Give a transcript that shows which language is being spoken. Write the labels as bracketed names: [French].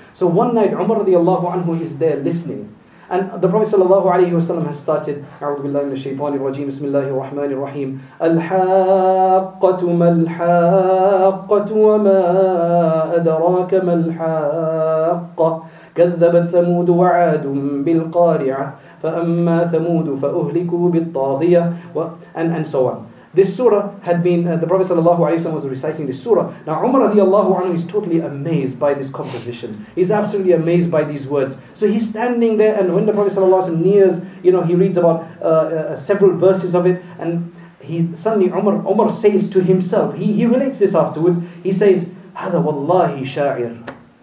[English] So one night, Umar radiallahu anhu is there listening. And the Prophet sallallahu alayhi wa sallam has started, [Arabic] أعوذ بالله من الشيطان الرجيم بسم الله الرحمن الرحيم الحاقة ما الحاقة وما أدراك ما الحاقة كذب ثمود وعاد بالقارعة فأما ثمود فأهلكوا بالطاغية [English] and so on. This surah had been, the Prophet sallallahu alayhi wa sallam was reciting this surah. Now Umar radiallahu anhu is totally amazed by this composition. He's absolutely amazed by these words. So he's standing there, and when the Prophet sallallahu alayhi wa sallam nears, you know, he reads about several verses of it, and he suddenly Umar says to himself, he relates this afterwards, he says, [Arabic] هَذَا وَاللَّهِ شَاعِرٌ.